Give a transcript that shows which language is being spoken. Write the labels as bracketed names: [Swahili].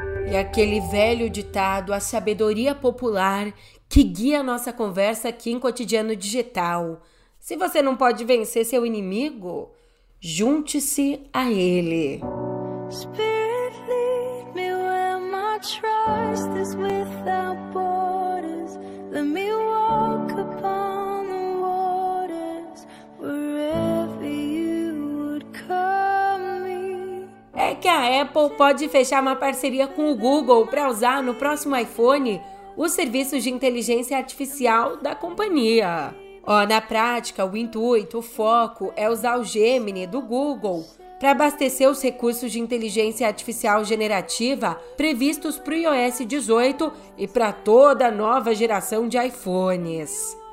[Portuguese] E aquele velho ditado, a sabedoria popular, que guia a nossa conversa aqui em Cotidiano Digital. Se você não pode vencer seu inimigo, junte-se a ele. [English] Spirit, lead me where my trust is without borders. Let me walk upon the waters wherever you would call me. [Portuguese] É que a Apple pode fechar uma parceria com o Google para usar no próximo iPhone os serviços de inteligência artificial da companhia. Na prática, o intuito, o foco é usar o Gemini do Google para abastecer os recursos de inteligência artificial generativa previstos para o iOS 18 e para toda a nova geração de iPhones.